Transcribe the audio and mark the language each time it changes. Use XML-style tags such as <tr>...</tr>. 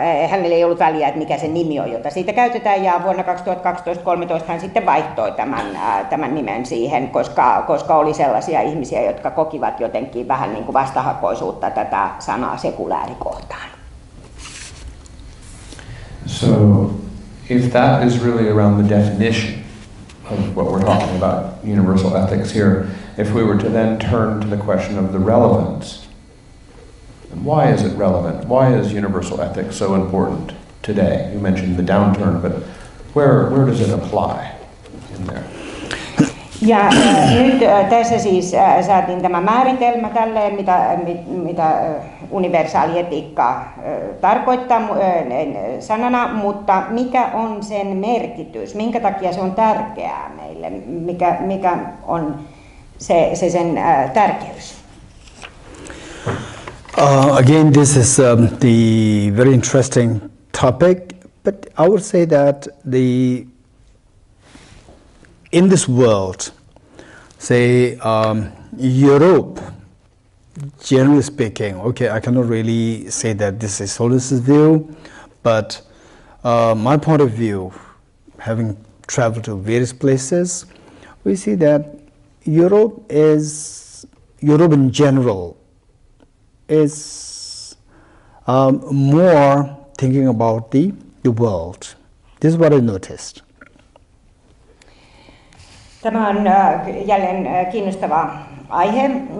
<fi>Hänellä ei ollut väliä, että mikä se nimi on, jota siitä käytetään, ja vuonna 2012-2013 hän sitten vaihtoi tämän nimen siihen, koska oli sellaisia ihmisiä, jotka kokivat jotenkin vähän niin kuin vastahakoisuutta tätä sanaa sekulääri kohtaan.</fi> <en>So, if that is really around the definition of what we're talking about, universal ethics here, if we were to then turn to the question of the relevance, why is it relevant? Why is universal ethics so important today? You mentioned the downturn, but where does it apply in there?</en> <fi>Ja nyt tässä siis saatiin tämä määritelmä tälle, mitä universaali etiikka tarkoittaa sanana, mutta mikä on sen merkitys? Minkä takia se on tärkeää meille? Mikä on se sen tärkeys?</fi> <en>Again, this is the very interesting topic, but I would say that in this world, say Europe, generally speaking, okay, I cannot really say that this is Solis's view, but my point of view, having traveled to various places, we see that Europe in general, is more thinking about the world. This is what I noticed.</en> <fi>Tämä on jälleen kiinnostava aihe.</fi>